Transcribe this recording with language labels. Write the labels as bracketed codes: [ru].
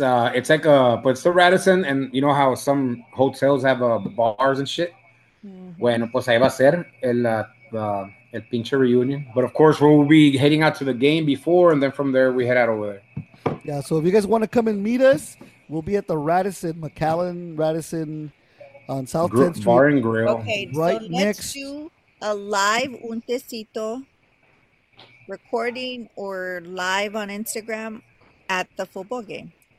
[en] It's like a, but it's the Radisson, and you know how some hotels have the bars and shit? Mm-hmm. [es] Bueno, pues ahí va a ser el pinche reunion. [en] But of course, we'll be heading out to the game before, and then from there, we head out over there. Yeah, so if you guys want to come and meet us, we'll be at the Radisson, McAllen Radisson on South 10th Street. Bar and Grill. Okay, right, so next, let's do a live un tecito recording or live on Instagram at the football game.